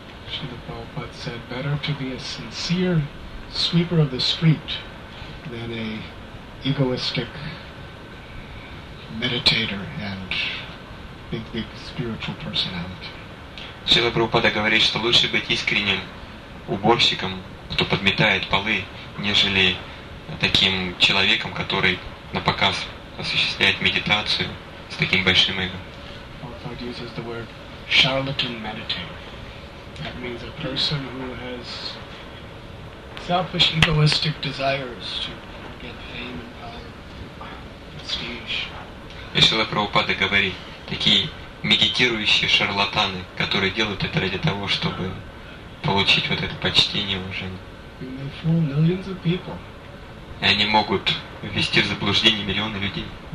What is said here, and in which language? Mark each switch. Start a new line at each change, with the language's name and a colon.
English: Шрила Прабхупада said, better to be a sincere sweeper of the street than a egoistic meditator and big spiritual personality.
Russian: Шрила Прабхупада говорит, что лучше быть искренним уборщиком, кто подметает полы, нежели таким человеком, который на показ осуществляет медитацию с таким большим эго.
English: Prabhupada uses the word charlatan meditator. That means a person who has selfish, egoistic desires to get fame and power, prestige.
Russian: Если Прабхупада говорит, такие медитирующие шарлатаны, которые делают это ради того, чтобы получить вот это почтение, уважение.
English: And they fool millions of people.
Russian: И они могут ввести в заблуждение миллионы людей.